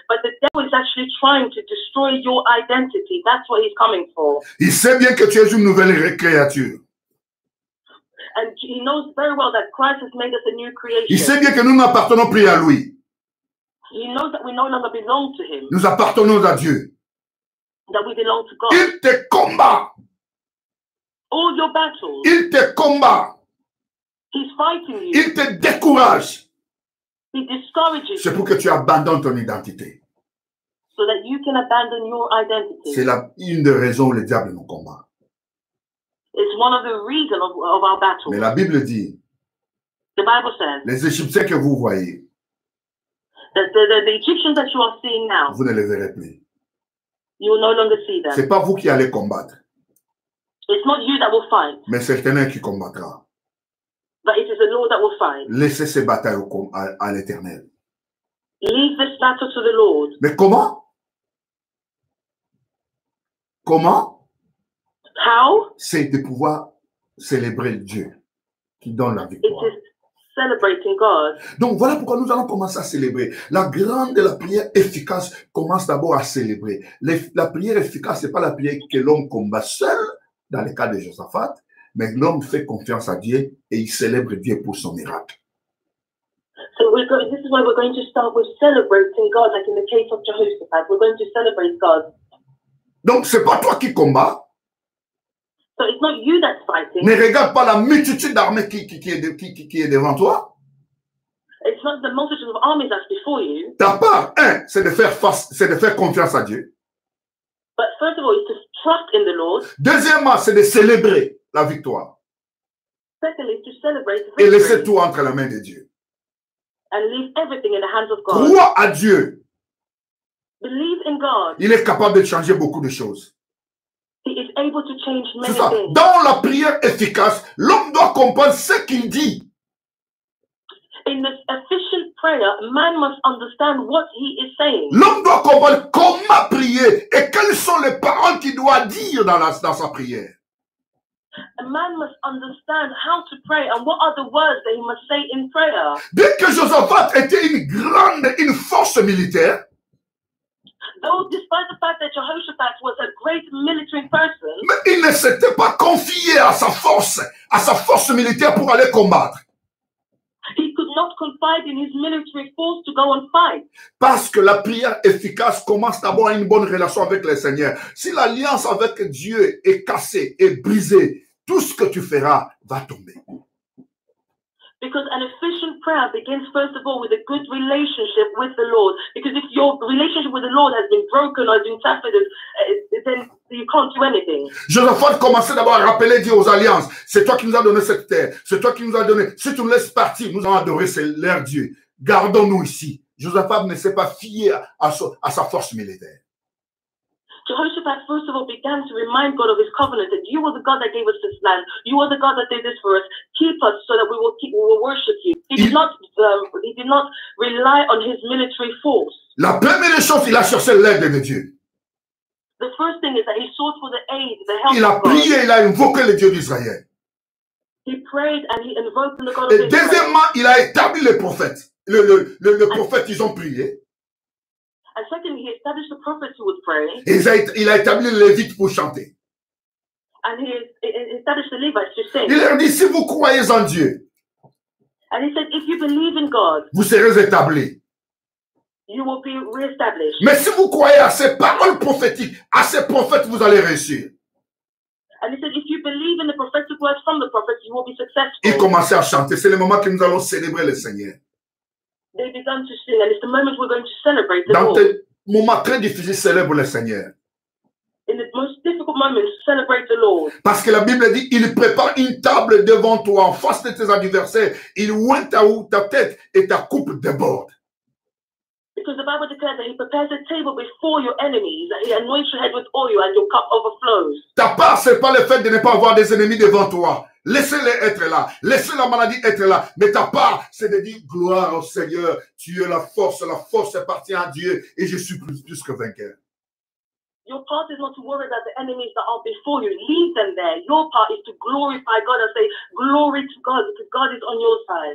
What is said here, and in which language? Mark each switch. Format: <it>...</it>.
<en>But the devil is actually trying to destroy your identity. That's what he's coming for.</en> <fr>Il sait bien que tu es une nouvelle créature.</fr> <en>And he knows very well that Christ has made us a new creation.</en> <fr>Il sait bien que nous n'appartenons plus à lui.</fr> <en>He knows that we no longer belong to him.</en> <fr>Nous appartenons à Dieu.</fr> <en>That we belong to God.</en> <fr>Il te combat.</fr> <en>All your battles.</en> <fr>Il te combat.</fr> <en>He's fighting you.</en> <fr>Il te décourage.</fr> <en>He discourages you.</en> <fr>C'est pour que tu abandonnes ton identité.</fr> <en>So that you can abandon your identity.</en> <fr>C'est une des raisons où le diable nous combat.</fr> <en>It's one of the reasons of our battles.</en> <fr>Mais la Bible dit.</fr> <en>The Bible says.</en> <fr>Les Égyptiens que vous voyez.</fr> <en>The Egyptians that you are seeing now.</en> <fr>Vous ne les verrez plus.</fr> <en>You will no longer see them.</en> <fr>C'est pas vous qui allez combattre.</fr> <en>It's not you that will fight.</en> <fr>Mais c'est l'Éternel qui combattra.</fr> <en>But it is the Lord that will fight.</en> <fr>Laissez ces batailles à l'Éternel.</fr> <en>Leave this battle to the Lord.</en> <fr>Mais comment? Comment?</fr> <en>How?</en> <fr>C'est de pouvoir célébrer Dieu qui donne la victoire.</fr> <en>It is celebrating God.</en> <fr>Donc voilà pourquoi nous allons commencer à célébrer. La grande et la prière efficace commence d'abord à célébrer. La prière efficace, ce n'est pas la prière que l'homme combat seul. Dans le cas de Josaphat, mais l'homme fait confiance à Dieu et il célèbre Dieu pour son miracle.</fr> <en>So this is why we're going to start with celebrating God, like in the case of Jehoshaphat. We're going to celebrate God.</en> <fr>Donc c'est pas toi qui combat.</fr> <en>So it's not you that's fighting.</en> <fr>Ne regarde pas la multitude d'armées qui est devant toi.</fr> <en>It's not the multitude of armies that's before you.</en> <fr>Ta part, c'est de faire face, c'est de faire confiance à Dieu.</fr> <en>But first of all, it's to trust in the Lord.</en> <fr>Deuxièmement, c'est de célébrer la victoire.</fr> <en>Secondly, to celebrate victory.</en> <fr>Et laisser tout entre la main de Dieu.</fr> <en>And leave everything in the hands of God.</en> <fr>Crois à Dieu.</fr> <en>Believe in God.</en> <fr>Il est capable de changer beaucoup de choses.</fr> <en>He is able to change many things.</en> <fr>Dans la prière efficace, l'homme doit comprendre ce qu'il dit.</fr> <en>In this efficient prayer, man must understand what he is saying.</en> <fr>L'homme doit comprendre comment prier et quelles sont les paroles qu'il doit dire dans sa prière.</fr> <en>A man must understand how to pray and what are the words that he must say in prayer.</en> <fr>Dès que Josaphat était une force militaire,</fr> <en>though despite the fact that Jehoshaphat was a great military person,</en> <fr>mais il ne s'était pas confié à sa force militaire pour aller combattre.</fr> <en>He could not confide in his military force to go and fight.</en> <fr>Parce que la prière efficace commence d'abord à une bonne relation avec le Seigneur. Si l'alliance avec Dieu est cassée et brisée, tout ce que tu feras va tomber.</fr> <en>Because an efficient prayer begins first of all with a good relationship with the Lord. Because if your relationship with the Lord has been broken or has been shattered, then you can't do anything.</en> <fr>Josaphat commençait d'abord à rappeler Dieu aux alliances. C'est toi qui nous as donné cette terre. C'est toi qui nous as donné. Si tu nous laisses partir, nous allons adorer leur Dieu. Gardons-nous ici. Josaphat ne s'est pas fié à sa force militaire.</fr> <en>Jehoshaphat first of all began to remind God of his covenant that you are the God that gave us this land. You are the God that did this for us. Keep us so that we will worship you. He did not rely on his military force.</en> <fr>La première chose, il a cherché l'aide de Dieu.</fr> <en>The first thing is that he sought for the aid, the help of God.</en> <fr>Il a prié, il a invoqué le Dieu d'Israël.</fr> <en>He prayed and he invoked the God</en> <fr>et</fr> <en>of Israel.</en> <fr>Et deuxièmement, il a établi les prophètes. Le prophète, ils ont prié.</fr> <en>And secondly, he established the prophets who would pray.</en> <fr>Il a établi les Lévites pour chanter.</fr> <en>And he established the Levites to sing.</en> <fr>Il leur dit, si vous croyez en Dieu,</fr> <en>and he said, if you believe in God,</en> <fr>vous serez établis.</fr> <en>You will be reestablished.</en> <fr>Mais si vous croyez à ces paroles prophétiques, à ces prophètes, vous allez réussir.</fr> <en>And he said, if you believe in the prophetic words from the prophets, you will be successful.</en> <fr>Ils commençaient à chanter. C'est le moment que nous allons célébrer le Seigneur.</fr> <en>They began to sing, and it's the moment we're going to celebrate the</en> <fr>Dans tes moments très difficiles, célèbre le Seigneur.</fr> <en>In the most difficult moments, celebrate the Lord.</en> <fr>Parce que la Bible dit, il prépare une table devant toi, en face de tes adversaires. Il oint ta tête et ta coupe déborde.</fr> <en>Because the Bible declares that he prepares a table before your enemies, that he anoints your head with oil and your cup overflows.</en> <fr>Ta part, c'est pas le fait de ne pas avoir des ennemis devant toi. Laissez-les être là. Laissez la maladie être là. Mais ta part, c'est de dire gloire au Seigneur. Tu es la force. La force appartient à Dieu. Et je suis plus que vainqueur.</fr> <en>Your part is not to worry about the enemies that are before you. Leave them there. Your part is to glorify God and say glory to God because God is on your side.</en>